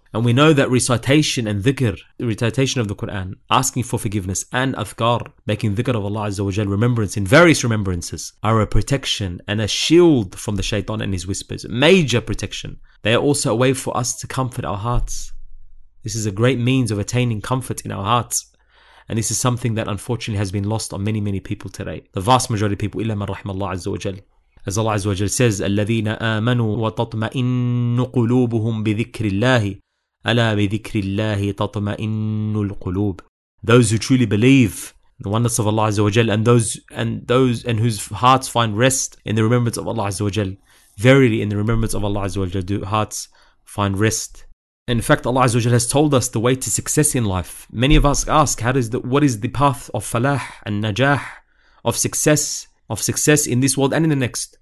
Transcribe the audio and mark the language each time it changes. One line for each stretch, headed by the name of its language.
English: And we know that recitation and dhikr, recitation of the Quran, asking for forgiveness, and adhkar, making dhikr of Allah Azza wa Jal, remembrance in various remembrances, are a protection and a shield from the shaitan and his whispers. Major protection. They are also a way for us to comfort our hearts. This is a great means of attaining comfort in our hearts. And this is something that unfortunately has been lost on many, many people today. The vast majority of people,
Arabic: إلا من رحم الله عز وجل.
English: As Allah Azza wa Jal says,
Arabic: الذين آمنوا وتطمئن قلوبهم بذكر الله ألا بذكر الله تطمئن القلوب.
English: Those who truly believe the oneness of Allah Azza wa Jal, and whose hearts find rest in the remembrance of Allah Azza wa Jal. Verily, in the remembrance of Allah Azza wa Jal, do hearts find rest. In fact, Allah Azza wa Jalla has told us the way to success in life. Many of us ask, what is the path of falah and najah, of success in this world and in the next?